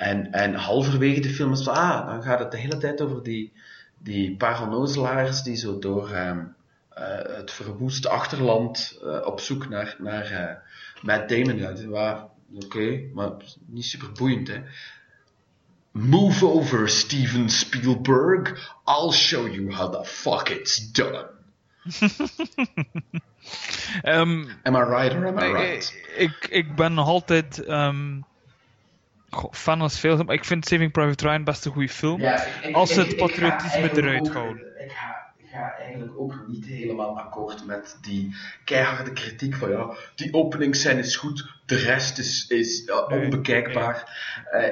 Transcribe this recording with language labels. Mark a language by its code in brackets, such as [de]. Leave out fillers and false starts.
[nl] En halverwege de film is van... dan gaat het de hele tijd over die... Die paranozelaars die zo door het verwoeste achterland op zoek naar Matt Damon. Ja, okay, maar niet super boeiend, hè. [en] Move over, Steven Spielberg. I'll show you how the fuck it's done. am I right or am I right? [nl] Ik ben nog altijd fan als veel, maar ik vind Saving Private Ryan best een goede film. Ja, als ze het patriotisme eruit houden. Ik ga eigenlijk ook niet helemaal akkoord met die keiharde kritiek van ja, die openingsscène is goed, de rest is onbekijkbaar. Nee.